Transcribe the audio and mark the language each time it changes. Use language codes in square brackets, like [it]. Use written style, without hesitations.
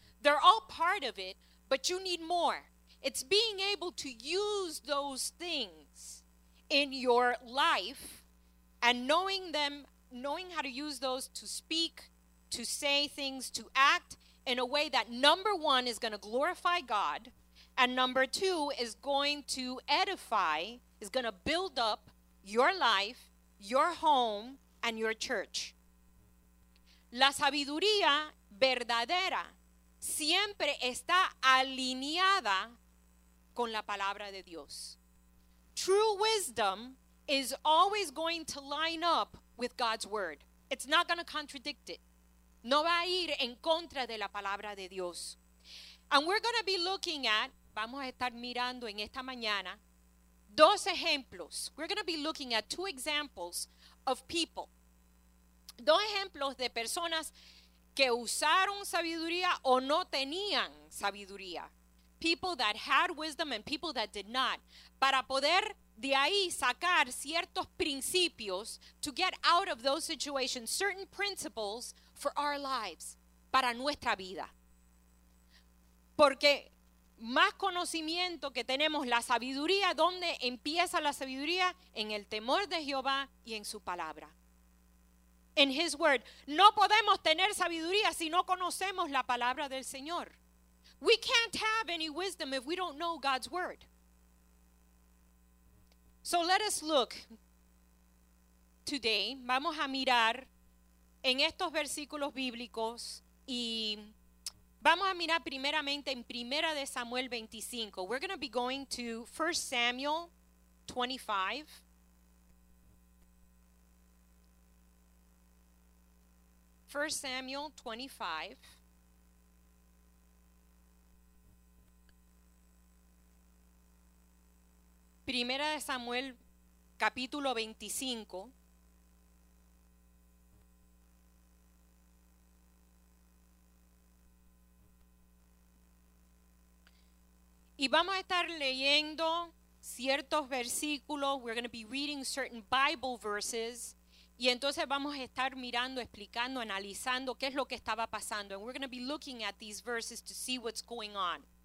[en] They're all part of it, but you need more. It's being able to use those things in your life and knowing them, knowing how to use those to speak to say things, to act in a way that, number one, is going to glorify God, and number two, is going to edify, is going to build up your life, your home, and your church. [es] La sabiduría verdadera siempre está alineada con la palabra de Dios. [en] True wisdom is always going to line up with God's word. It's not going to contradict it. [es] No va a ir en contra de la palabra de Dios. [en] And we're going to be looking at, [es] vamos a estar mirando en esta mañana, dos ejemplos. [en] We're going to be looking at two examples of people. [es] Dos ejemplos de personas que usaron sabiduría o no tenían sabiduría. [en] People that had wisdom and people that did not. [es] Para poder de ahí sacar ciertos principios, [en] to get out of those situations, certain principles for our lives, [es] para nuestra vida. Porque más conocimiento que tenemos, la sabiduría, ¿dónde empieza la sabiduría? En el temor de Jehová y en su palabra. [en] In his word. [es] No podemos tener sabiduría si no conocemos la palabra del Señor. [en] We can't have any wisdom if we don't know God's word. So let us look today. [es] Vamos a mirar en estos versículos bíblicos y vamos a mirar primeramente en Primera de Samuel 25. [en] We're going to be going to 1 Samuel 25. First Samuel 25. [es] Primera de Samuel, capítulo 25. Y vamos a estar leyendo ciertos versículos. [en] We're going to be reading certain Bible verses. [es] Y entonces vamos a estar mirando, explicando, analizando qué es lo que estaba pasando. [en] And we're going to be looking at these verses to see what's going on.